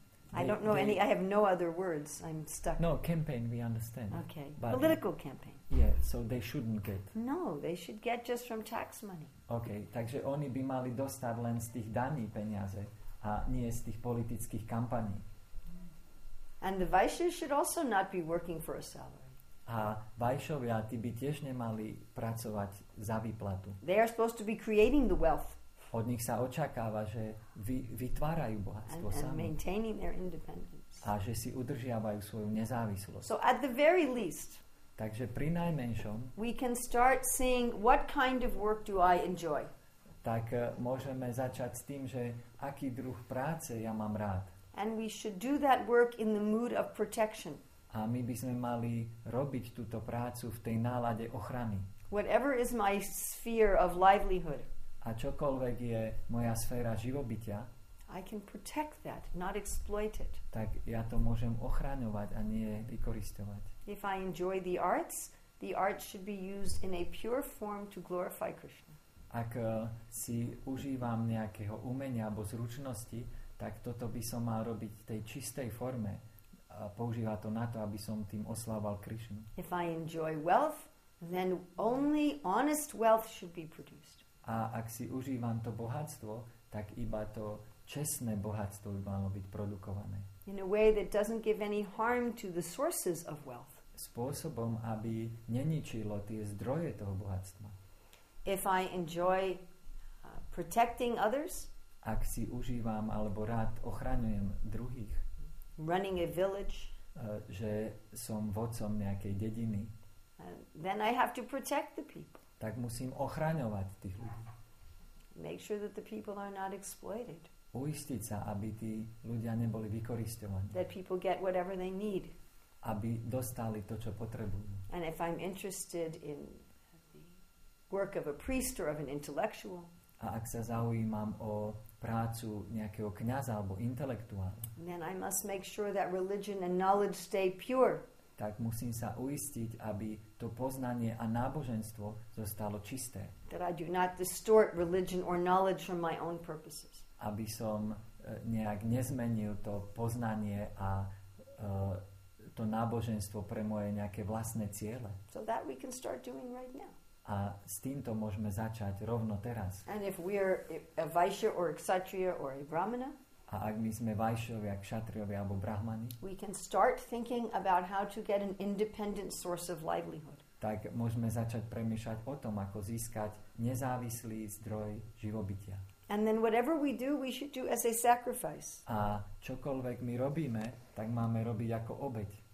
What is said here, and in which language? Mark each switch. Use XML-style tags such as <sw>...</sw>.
<en>I don't know any. I have no other words. I'm stuck. No, campaign, we understand. Okay. But political campaign. Yeah, so they shouldn't get. No, they should get just from tax money.</en> <sk>Okay, takže oni by mali dostať len z tých daní peniaze a nie z tých politických kampaní.</sk> <en>And the vaishyas should also not be working for a salary.</en> <sk>A vaishyovia, tí by tiež nemali pracovať za výplatu.</sk> <en>They are supposed to be creating the wealth.</en> <sk>Od nich sa očakáva, že vytvárajú bohatstvo sami a že si udržiavajú svoju nezávislosť.</sk> <en>So at the very least,</en> <sk>takže pri najmenšom,</sk> <en>we can start seeing what kind of work do I enjoy.</en> <sk>Tak môžeme začať s tým, že aký druh práce ja mám rád.</sk> <en>And we should do that work in the mood of protection.</en> <sk>A my by sme mali robiť túto prácu v tej nálade ochrany.</sk> <en>Whatever is my sphere of livelihood.</en> <sk>A čokoľvek je moja sféra živobytia,</sk> <en>I can protect that, not exploit it.</en> <sk>Tak ja to môžem ochraňovať a nie vykoristovať.</sk> <en>If I enjoy the arts should be used in a pure form to glorify Krishna.</en> <sk>Ak si užívam nejakého umenia alebo zručnosti, tak toto by som mal robiť v tej čistej forme. A používa to na to, aby som tým oslával Krishnu.</sk> <en>If I enjoy wealth, then only honest wealth should be produced.</en> <sk>A ak si užívam to bohatstvo, tak iba to čestné bohatstvo by malo byť produkované.</sk> <en>In a way that doesn't give any harm to the sources of wealth.</en> <sk>Spôsobom, aby neničilo tie zdroje toho bohatstva.</sk> <en>If I enjoy protecting others,</en> <sk>ak si užívam alebo rád ochraňujem druhých,</sk> <en>running a village,</en> <sk>že som vodcom nejakej dediny,</sk> <en>then I have to protect the people.</en> <sk>Tak musím ochraňovať tých ľudí.</sk> <en>Make sure that the people are not exploited.</en> <sk>Uistiť sa, aby tí ľudia neboli vykoristovaní.</sk> <en>That people get whatever they need.</en> <sk>Aby dostali to, čo potrebujú.</sk> <en>And if I'm interested in the work of a priest or of an intellectual.</en> <sk>A ak sa zaujímam o prácu nejakého kňaza alebo intelektuála.</sk> <en>Then I must make sure that religion and knowledge stay pure.</en> <sk>Tak musím sa uistiť, aby to poznanie a náboženstvo zostalo čisté.</sk> <en>That I do not distort religion or knowledge for my own purposes.</en> <sk>Aby som nejak nezmenil to poznanie a to náboženstvo pre moje nejaké vlastné ciele.</sk> <en>So that we can start doing right now.</en> <sk>A s týmto môžeme začať rovno teraz.</sk> <en>And if we are a vaishya or a kshatriya or a brahmana,</en> <sk>A ak my sme vajšovia, kšatriovia alebo brahmani,</sk> <en>we can start thinking about how to get an independent source of livelihood.</en> <sk>Tak môžeme začať premýšľať o tom, ako získať nezávislý zdroj živobytia.</sk> <en>And then whatever we do, we should do as a sacrifice.</en> <sk>A čokoľvek my robíme, tak máme robiť ako obeť.</sk>